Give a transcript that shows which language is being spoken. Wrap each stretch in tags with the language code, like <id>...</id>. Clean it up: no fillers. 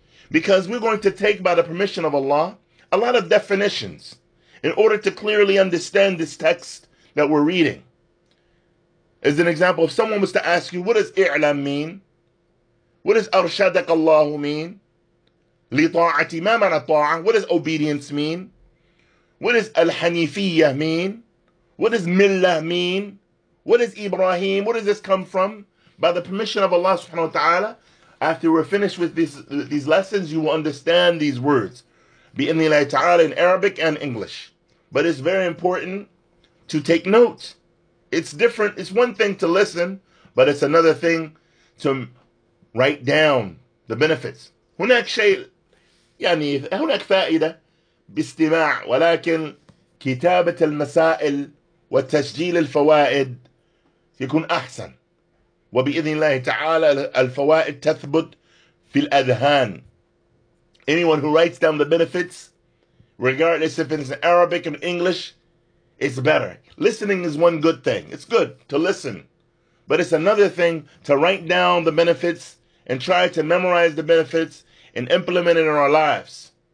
<en>Because we're going to take, by the permission of Allah, a lot of definitions in order to clearly understand this text that we're reading. As an example, if someone was to ask you, what does i'lam mean? What does arshadak Allahu mean?</en> <ar>لِطَاعَةِ مَا مَنَ الطَاعَةِ</ar> <en>What does obedience mean? What does al-hanifiyyah mean? What does millah mean? What is Ibrahim? Where does this come from? By the permission of Allah subhanahu wa ta'ala, after we're finished with these lessons, you will understand these words.</en> <ar>بإذن الله تعالى</ar> <en>in Arabic and English. But it's very important to take notes. It's different. It's one thing to listen, but it's another thing to write down the benefits.</en> <ar>هناك شيء يعني هناك فائدة باستماع ولكن كتابة المسائل وتسجيل الفوائد يكون أحسن. وبإذن الله تعالى الفوائد تثبت في الأذهان.</ar> <en>Anyone who writes down the benefits, regardless if it's in Arabic and English, It's better. Listening is one good thing. It's good to listen. But it's another thing to write down the benefits and try to memorize the benefits and implement it in our lives.</en>